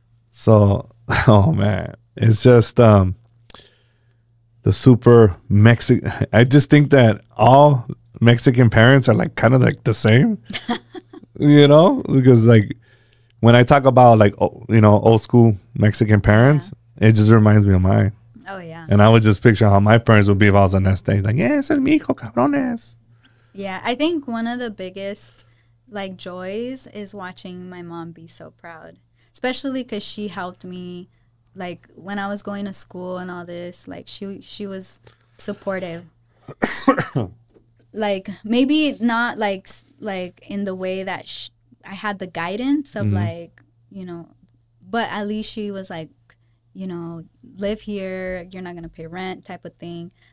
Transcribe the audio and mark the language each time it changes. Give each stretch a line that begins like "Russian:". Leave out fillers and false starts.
English: So, oh man, it's just the super Mexican. I just think that all Mexican parents are like kind of like the same, you know, because like when I talk about like, you know, old school Mexican parents, yeah, it just reminds me of mine. Oh, yeah. And I would just picture how my parents would be if I was on that stage.
Spanish: Like, yeah, ese es mi hijo, cabrones.
English: Yeah, I think one of the biggest like joys is watching my mom be so proud. Especially because she helped me, like, when I was going to school and all this, like, she was supportive. Like, maybe not, like in the way that I had the guidance of, mm-hmm, like, you know, but at least she was, like, you know, live here, you're not going to pay rent type of thing.